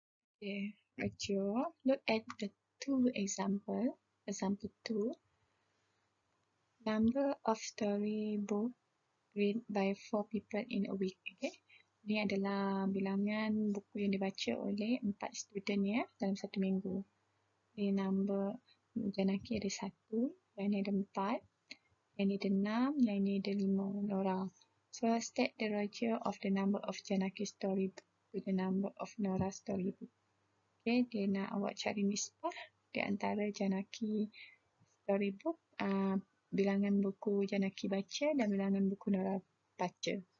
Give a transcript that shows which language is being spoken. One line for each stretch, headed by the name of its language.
English: Okay, ratio. Look at the two example. Example 2. Number of story book read by 4 people in a week. Okay.
Malay: Ini adalah bilangan buku yang dibaca oleh 4 student ya dalam 1 minggu. Ini number Janaki ada 1, yang ini ada 4, yang ini ada 6, yang ini ada 5 Nora.
English: So, state the ratio of the number of Janaki story book to the number of Nora story book.
Malay: Okay, dia nak awak cari nisbah di antara Janaki storybook, bilangan buku Janaki baca dan bilangan buku Nora baca.